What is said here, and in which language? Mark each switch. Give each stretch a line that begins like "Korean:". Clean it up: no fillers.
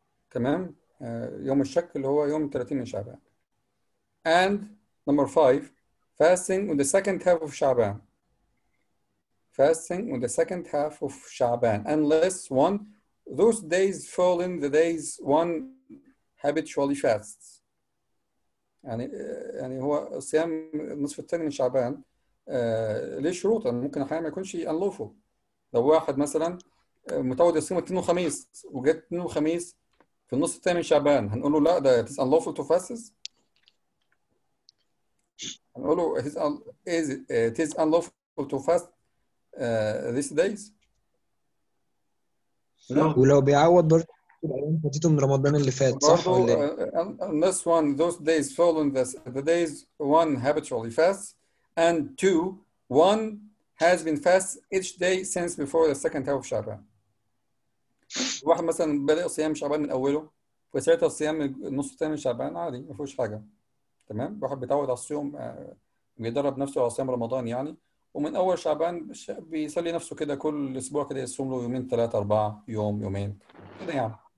Arabic: تمام؟ يوم الشك اللي هو يوم 30 من شعبان.
English: And number five, fasting on the second half of Shaban. Fasting on the second half of Shaban. Unless one, those days fall in the days one habitually fasts.
Arabic: يعني هو صيام النصف الثاني من شعبان ليه شروط؟ ممكن أحيانا ما يكونش unlawful. لو واحد مثلا متعود يصوم الاثنين والخميس وجت الاثنين والخميس في النص الثاني من شعبان هنقول له لا ده it is unlawful to fast. هنقول له it is unlawful to fast these days. ولو بيعوض برضه الايام فاتته من رمضان اللي فات صح ولا
English: unless one those days fall in the days one habitually fast and two one has been fast each day since before the second half of شعبان.
Arabic: واحد مثلا بدأ صيام شعبان من اوله فساعتها الصيام النص الثاني من شعبان عادي ما فيهوش حاجه. تمام؟ واحد بيتعود على الصيام بيدرب نفسه على صيام رمضان يعني ومن اول شعبان بيسلي نفسه كده كل اسبوع كده يصوم له يومين ثلاثه اربعه يوم يومين كده يعني.